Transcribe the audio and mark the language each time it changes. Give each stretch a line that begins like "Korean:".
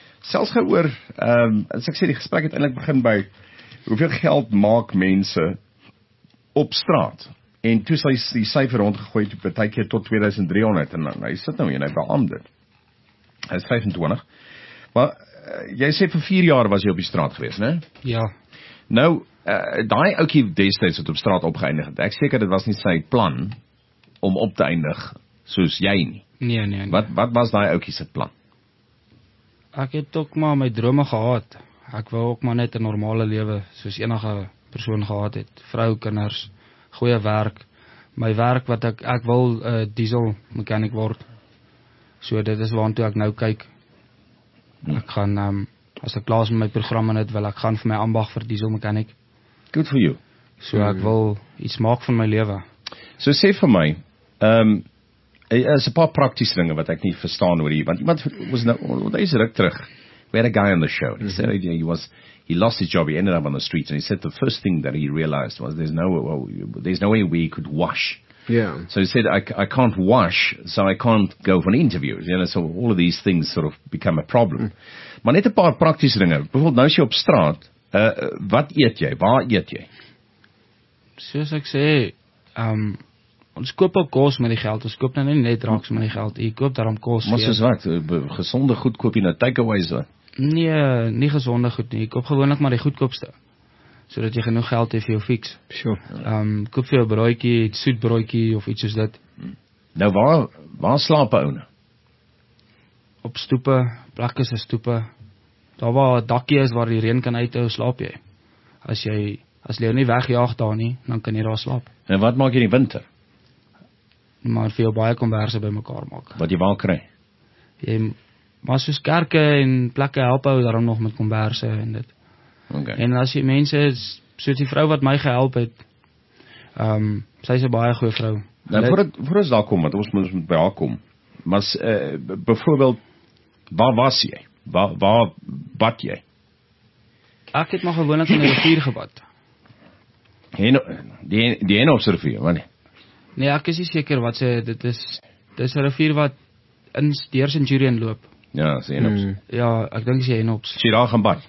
Afrikaans: Sels gaan oor as ek sê die gesprek het eintlik begin by hoeveel geld maak mense op straat. En toe sy die syfer rondgegooi het partykeer tot 2300 en dan, hy sit nou en hy beamoed dit. Hy is 25. Maar jy sê vir 4 jaar was jy op die straat gewees, né? Ja. Nou daai ouetjie destyds het op straat opgeëindig. Ek seker dit was nie sy plan om op te eindig soos jy nie. Nee. Wat was daai ouetjie se plan? Ek het ook maar my drome gehad. Ek wou ook maar net 'n normale lewe soos enige persoon gehad het. Vrou, kinders, goeie werk. My werk wat ek wil 'n diesel mechanic word. So dit is waartoe ek nou kyk. Ek gaan as ek klaar is met my program en dit wil ek gaan vir my ambag vir diesel mechanic.
English: Good for you.
Afrikaans: So ek wil iets maak van my lewe. So sê vir my, is 'n paar praktiese dinge wat ek nie verstaan oor hier, want iemand was nou, wat is ruk terug,
English: we had a guy on the show, and he said he lost his job, he ended up on the streets, and he said the first thing that he realized was there's no way we could wash. Yeah. So he said, I can't wash, so I can't go for an interview, you know, so all of these things sort of become a problem.
Afrikaans: Maar net 'n paar praktiese dinge, bijvoorbeeld nou is jy op straat, wat eet jy, waar eet jy? Soos ek sê, ons koop ook kos met die geld, ons koop nou nie net raaks met die geld, jy koop daarom kos. Maar soos wat, gesonde goed koop jy nou takeaways wat? Nee, nie gesonde goed nie, jy koop gewoonlik maar die goedkoopste, so dat jy genoeg geld hê vir jou fiks.
English: Sure.
Afrikaans: Koop vir jou broodjie, soet broodjie of iets soos dit. Nou waar slaap jy ouene? Op stoepe, plekke se stoepe, daar waar dakkie is waar die reën kan uithou, slaap jy. As jy nie wegjaag daar nie, dan kan jy daar slaap. En wat maak jy in die winter? Maar vir jou baie konverse by mekaar maak. Wat jy wel kry? Jy, maar soos kerke en plekke help hou daarom nog met konverse en dit. Okay. En as jy mense, soos die vrou wat my gehelp het, sy is een baie goeie vrou. Nou, voor ons daar kom, want ons moet by haar kom, maar bijvoorbeeld, waar was jy? Waar bad jy? Ek het maar gewoonlik in die rivier gebad. Die Hennops rivier, wanneer? Nee, ek is nie seker wat sy, dit is een rivier wat deur Centurion loop. Ja, sy Hennops. Hmm. Ja, ek dink sy Hennops. Sy daar gaan bad?